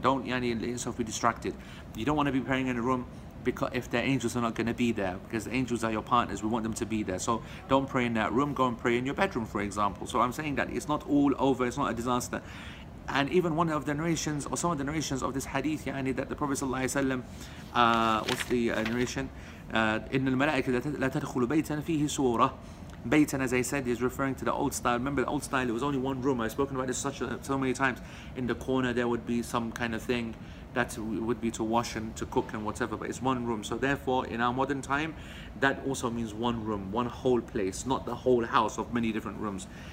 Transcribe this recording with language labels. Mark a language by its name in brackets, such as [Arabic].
[English] Don't yani let yourself be distracted. You don't want to be praying in a room because if the angels are not going to be there, because the angels are your partners, we want them to be there. So don't pray in that room. Go and pray in your bedroom, for example. So I'm saying that it's not all over. It's not a disaster. And even one of the narrations, or some of the narrations of this hadith, yani that the Prophet sallallahu alaihi wasallam, what's the narration? [Arabic] إن الملائكة لا تدخل بيتا فيه سورة. [English] Baytan, as I said, is referring to the old style. Remember the old style, it was only one room. I've spoken about this so many times. In the corner there would be some kind of thing that would be to wash and to cook and whatever, but it's one room. So therefore, in our modern time, that also means one room, one whole place, not the whole house of many different rooms.